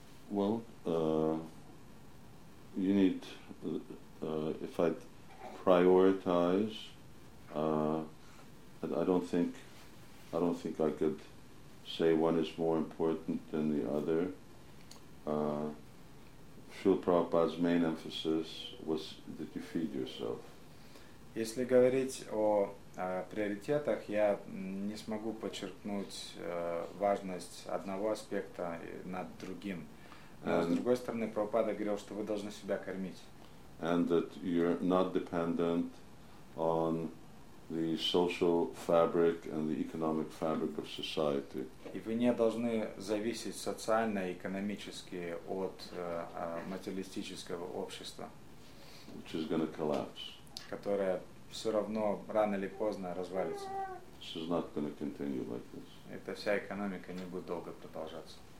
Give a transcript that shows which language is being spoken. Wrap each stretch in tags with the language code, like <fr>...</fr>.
<en>Well, you need, if I prioritize, I don't think I could say one is more important than the other. Srila Prabhupada's main emphasis was that you feed yourself.</en> <ru>Если говорить о приоритетах, я не смогу подчеркнуть важность одного аспекта над другим. Но, с другой стороны, Прабхупада говорил, что вы должны себя кормить.</ru> <en>And that you're not dependent on the social fabric and the economic fabric of society.</en> <ru>И вы не должны зависеть социально и экономически от материалистического общества.</ru> <en>Which is going to collapse.</en> <ru>Которое все равно рано или поздно развалится.</ru> <en>This is not going to continue like this.</en> <ru>эта вся экономика не будет долго продолжаться.</ru>